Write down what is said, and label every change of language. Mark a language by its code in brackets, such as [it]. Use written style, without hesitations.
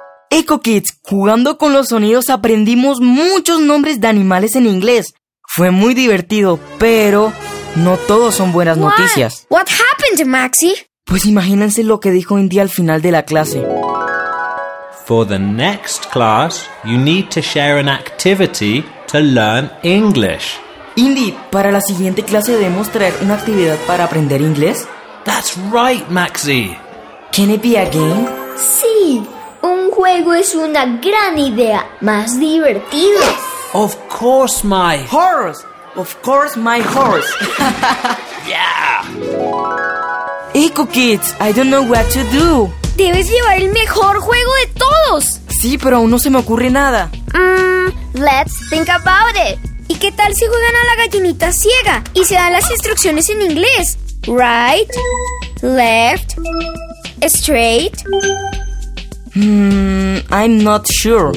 [es] Eco Kids, jugando con los sonidos aprendimos muchos nombres de animales en inglés. Fue muy divertido, pero no todos son buenas [en] What? [es] Noticias. [en] What happened, Maxi? [es] Pues imagínense lo que dijo Indy al final de la clase. [en] For the next class, you need to share an activity to learn English. [es] Indy, ¿para la siguiente clase debemos traer una actividad para aprender inglés? [en] That's right, Maxi. Can it be a game? [es] Sí, un juego es una gran idea. Más divertido. [en] Of course, my horse. Of course, my horse. Yeah. Eco Kids, I don't know what to do. [es] Debes llevar el mejor juego de todos. Sí, pero aún no se me ocurre nada. [en] Let's think about it. [es] ¿Y qué tal si juegan a la gallinita ciega y se dan las instrucciones en inglés? [en] Right, left, straight. I'm not sure.